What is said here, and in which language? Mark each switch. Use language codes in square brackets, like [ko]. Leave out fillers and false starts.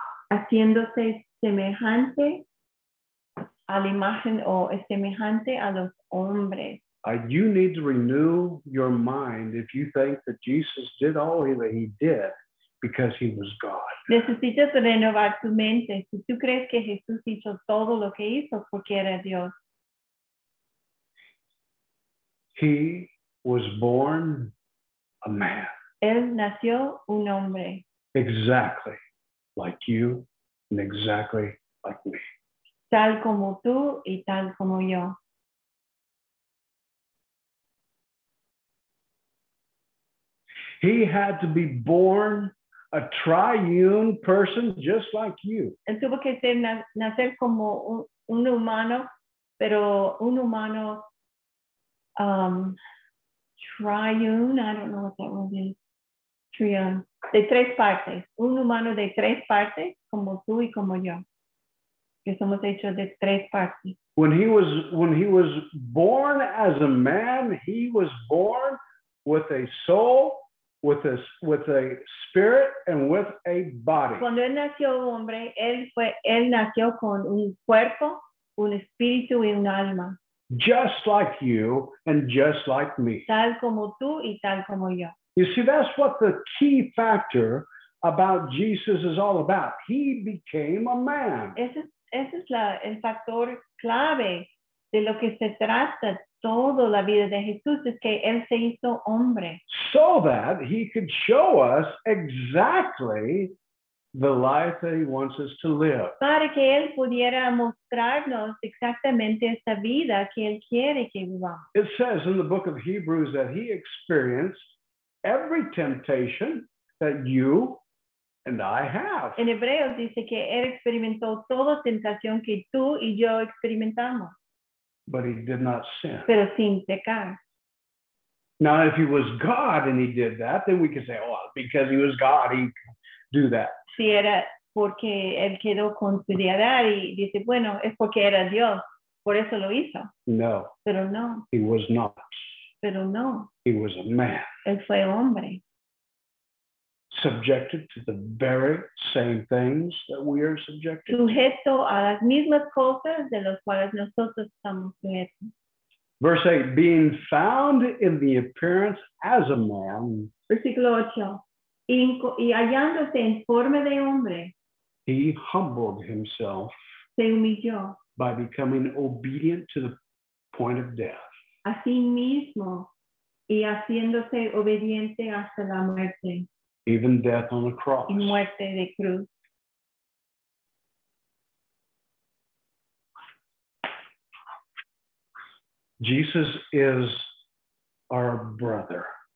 [es] Haciéndose semejante a la imagen o semejante a los hombres. [en] You need to renew your mind if you think that Jesus did all that he did because he was God. [es] Necesitas renovar tu mente si tú crees que Jesús hizo todo lo que hizo porque era Dios. [en] He was born a man. [es] Él nació un hombre. [en] Exactly like you and exactly like me. [es] Tal como tú y tal como yo. [en] He had to be born a triune person just like you. [es] Él tuvo que ser nacer como un humano, pero un humano triune, [en] I don't know what that word is. [es] Triune. De tres partes. Un humano de tres partes, como tú y como yo. Que somos hechos de tres partes. [en] When he was born as a man, he was born with a soul, with a spirit and with a body. [es] Cuando él nació hombre, él nació con un cuerpo, un espíritu y un alma. [en] Just like you and just like me. [es] Tal como tú y tal como yo. [en] You see, that's what the key factor about Jesus is all about. He became a man. [es] Ese es el factor clave de lo que se trata. Toda la vida de Jesús es que él se hizo hombre. [en] So that he could show us exactly the life that he wants us to live. [es] Para que él pudiera mostrarnos exactamente esa vida que él quiere que vivamos. [en] It says in the book of Hebrews that he experienced every temptation that you and I have. [es] En Hebreos dice que él experimentó toda tentación que tú y yo experimentamos. [en] But he did not sin. [es] Pero sin pecar. [en] Now, if he was God and he did that, then we could say, oh, because he was God, he could do that. [es] Si era porque él quedó con su deidad y dice, bueno, es porque era Dios. Por eso lo hizo. No. Pero no. [en] He was not. [es] Pero no. [en] He was a man. [es] Él fue hombre. [en] Subjected to the very same things that we are subjected to. [es] Sujeto a las mismas cosas de las cuales nosotros estamos sujetos. [en] Verse 8, being found in the appearance as a man. [es] Versículo 8, y hallándose en forma de hombre. [en] He humbled himself. [es] Se humilló. [en] By becoming obedient to the point of death. [es] A sí mismo, y haciéndose obediente hasta la muerte. [en] Even death on the cross. [es] Y muerte de cruz. [en] Jesus is our brother.